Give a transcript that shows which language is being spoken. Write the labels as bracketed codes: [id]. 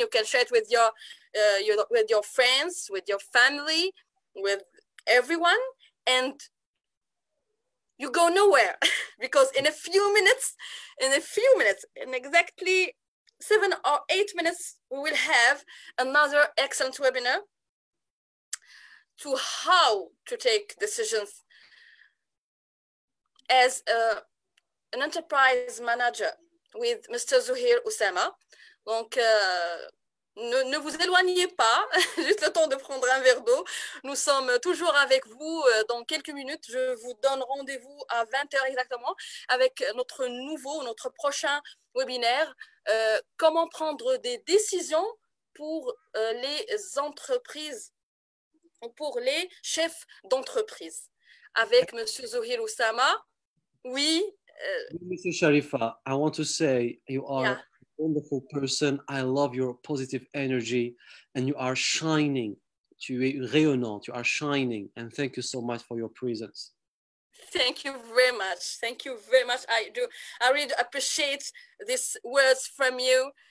[en] You can share it with your friends, with your family, with everyone, and you go nowhere, because in a few minutes, in exactly 7 or 8 minutes, we will have another excellent webinar to how to take decisions as an enterprise manager with Mr. Zuhir Oussama. [fr] Donc, ne vous éloignez pas, juste le temps de prendre un verre d'eau. Nous sommes toujours avec vous dans quelques minutes. Je vous donne rendez-vous à 20h exactement avec notre prochain webinaire, comment prendre des décisions pour les entreprises, pour les chefs d'entreprise, avec Monsieur Zuhir Oussama. Oui. [en] Monsieur Sharifa, I want to say you are a wonderful person. I love your positive energy, and you are shining [fr] Tu es rayonnant. [en] You are shining. And thank you so much for your presence. Thank you very much. Thank you very much. I really appreciate these words from you.